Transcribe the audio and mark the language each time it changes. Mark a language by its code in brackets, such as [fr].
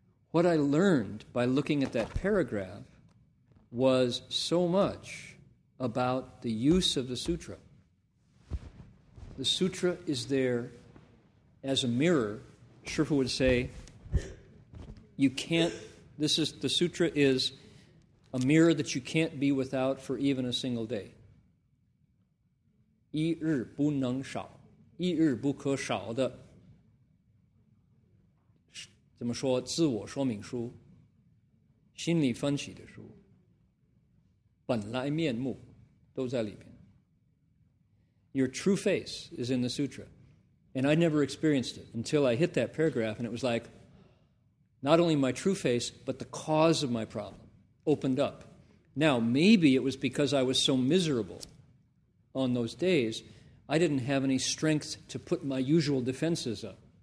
[en] What I learned by looking at that paragraph was so much about the use of the sutra. The sutra is there as a mirror. Sherpa would say, you can't, this is, the sutra is a mirror that you can't be without for even a single day. [zh] 一日不能少, 一日不可少的, 怎么说, 自我说明书, 心理分析的书, 本来面目, 都在里面。 [en] Your true face is in the sutra. And I never experienced it until I hit that paragraph, and it was like, not only my true face, but the cause of my problem opened up. Now, maybe it was because I was so miserable on those days, I didn't have any strength to put my usual defenses up.